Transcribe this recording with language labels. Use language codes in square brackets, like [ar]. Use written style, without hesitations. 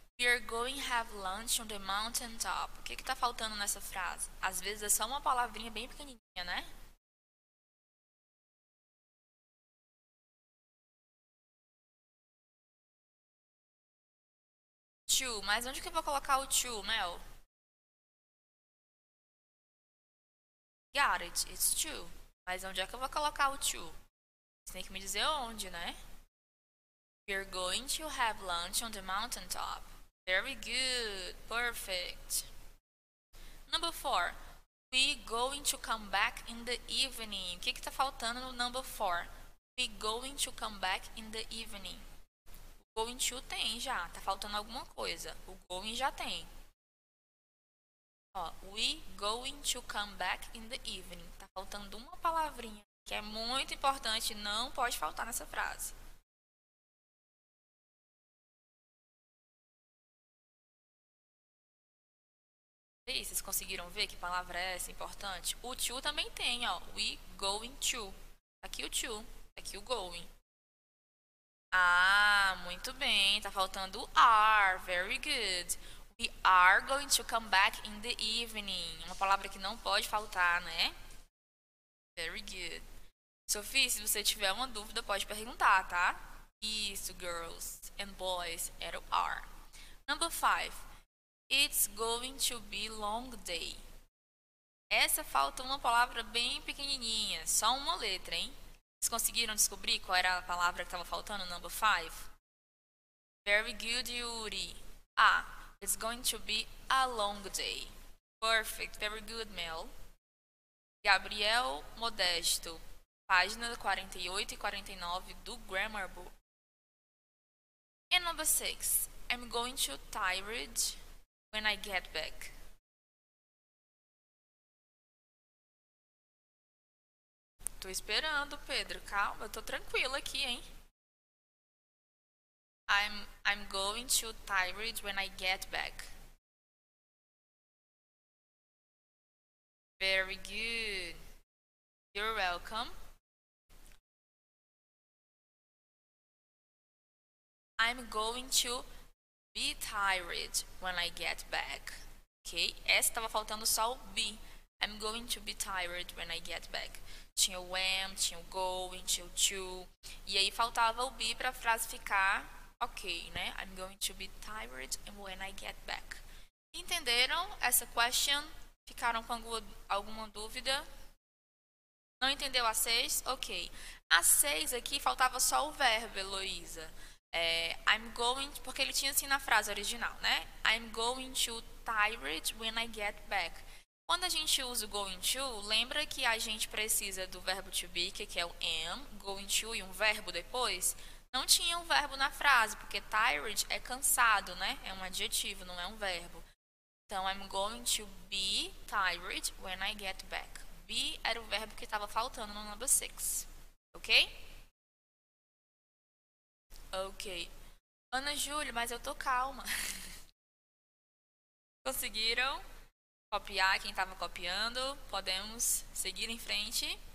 [en] You're going to have lunch on the mountain top. [pt] O que que tá faltando nessa frase? Às vezes é só uma palavrinha bem pequenininha, né? To, mas onde que eu vou colocar o to, Mel? [en] Got it, it's to. [pt] Mas onde é que eu vou colocar o to? Você tem que me dizer onde, né? [en] We're going to have lunch on the mountain top. Very good, perfect. Number 4. We going to come back in the evening. [pt] O que que tá faltando no number 4? [en] We going to come back in the evening. [pt] O going to tem já, tá faltando alguma coisa. O going já tem. [en] Ó, we going to come back in the evening. [pt] Tá faltando uma palavrinha que é muito importante, não pode faltar nessa frase. E aí, vocês conseguiram ver que palavra é essa importante? O to também tem, ó. We going to. Aqui o to, aqui o going. Ah, muito bem. Tá faltando o are. [en] Very good. We are going to come back in the evening. [pt] Uma palavra que não pode faltar, né? [en] Very good. [pt] Sophie, se você tiver uma dúvida, pode perguntar, tá? Isso, [en] girls and boys, [pt] era o are. Number 5. [en] It's going to be long day. [pt] Essa falta uma palavra bem pequenininha, só uma letra, hein? Vocês conseguiram descobrir qual era a palavra que estava faltando, number 5? [en] Very good, Yuri. Ah, it's going to be a long day. Perfect, very good, Mel. [pt] Gabriel Modesto, página 48 e 49 do Grammar Book. [en] And number 6. I'm going to tired when I get back. [pt] Tô esperando, Pedro. Calma, eu tô tranquilo aqui, hein? [en] I'm going to tired when I get back. Very good. You're welcome. I'm going to be tired when I get back. Ok? [pt] Essa tava faltando só o be. [en] I'm going to be tired when I get back. [pt] Tinha o am, tinha o going, tinha o to. E aí faltava o be pra frase ficar ok, né? [en] I'm going to be tired when I get back. [pt] Entenderam essa question? Ficaram com alguma dúvida? Não entendeu a 6? Ok. A 6 aqui faltava só o verbo, Heloísa. É, [en] I'm going, [pt] porque ele tinha assim na frase original, né? [en] I'm going to tired when I get back. [pt] Quando a gente usa o going to, lembra que a gente precisa do verbo to be, que é o am, going to e um verbo depois? Não tinha um verbo na frase, porque tired é cansado, né? É um adjetivo, não é um verbo. [en] Então, I'm going to be tired when I get back. [pt] Be era o verbo que estava faltando no number 6. Ok? Ok. Ana Júlia, mas eu tô calma. Conseguiram copiar quem estava copiando? Podemos seguir em frente?